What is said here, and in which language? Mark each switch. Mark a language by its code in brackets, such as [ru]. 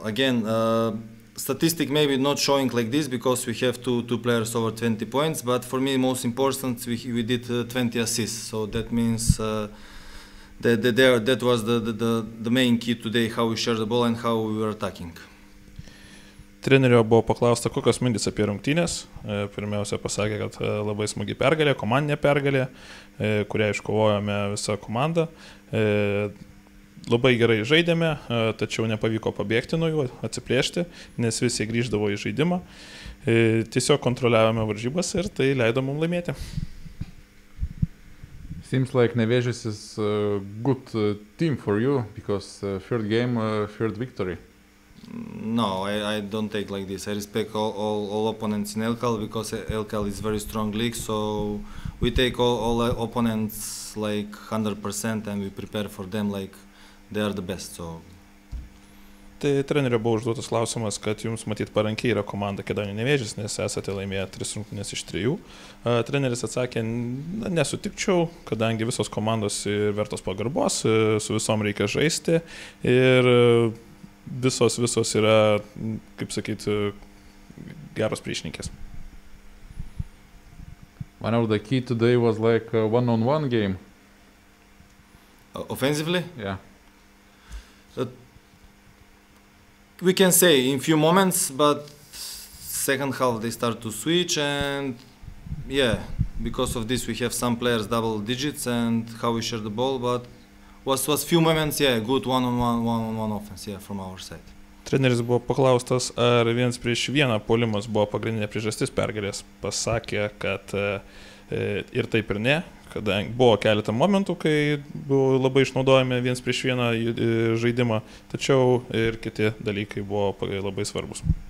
[en] Again, statistic maybe not showing like this because we have two players over 20 points. But for me, most important, we did 20 assists. So that means that was the main key today, how we share the ball and how we were attacking. [lt] Trenerio buvo paklausta, kokios mintys apie rungtynės. Pirmiausia, pasakė, kad labai smagi pergalė, komandinė pergalė, kurią iškovojome visą komandą. Labai gerai žaidėme, tačiau nepavyko pabėgti nuo jų, atsiplėšti, nes visi grįždavo į žaidimą. Tiesiog kontroliavome varžybas ir tai leido mums laimėti. [en] Seems like Nevėžis is a good team for you, because third game, third victory. No, I don't take like this. I respect all opponents in LKL because LKL is very strong league, so we take all opponents like 100% and we prepare for them like they are the best. So. [lt] Tai trenerio buvo užduotas klausimas, kad jums matyt parankiai yra komanda Kėdainių Nevėžis, nes esate laimėję 3 rungtynes iš 3. Treneris atsakė, nesutikčiau, kadangi visos komandos vertos pagarbos, su visom reikia žaisti ir visos yra, kaip sakyti, geros priešininkės. [en] One of the key today was like a one-on-one game. Offensively? Yeah. We can say in few moments, but second half they start to switch and yeah, because of this we have some players double digits and how we share the ball, but was few moments, yeah, good one-on-one offense, yeah, from our side. [lt] Treneris buvo paklaustas, ar viens prieš vieną puolimas buvo pagrindinė priežastis pergalės. Pasakė, kad ir taip ir ne, kadangi buvo keletą momentų, kai buvo labai išnaudojami viens prieš vieną žaidimą, tačiau ir kiti dalykai buvo labai svarbus.